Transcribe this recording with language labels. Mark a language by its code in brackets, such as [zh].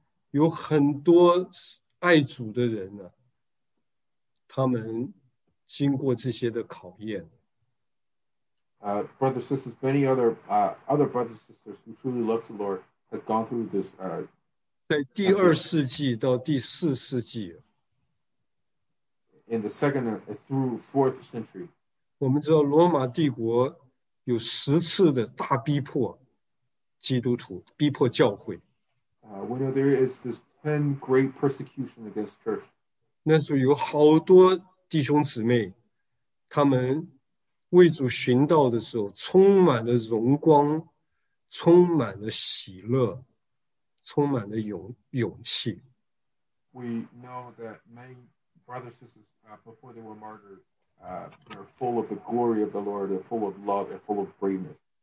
[zh] 姊妹，在教会历史中有很多爱主的人呢, 他们经过这些的考验。 [en] Brothers, sisters, many other brothers, sisters who truly love the Lord have gone through this. [zh] 在第二世纪到第四世纪。 [en] In the second through fourth century, [zh] 我们知道罗马帝国有十次的大逼迫基督徒，逼迫教会。 [en] We know there is this 10 great persecution against church. [zh] 那时候有好多弟兄姊妹，他们为主寻道的时候，充满了荣光，充满了喜乐，充满了勇气。 [en] We know that many brothers and sisters. Before they were martyred, they're full of the glory of the Lord, they're full of love, and full of braveness.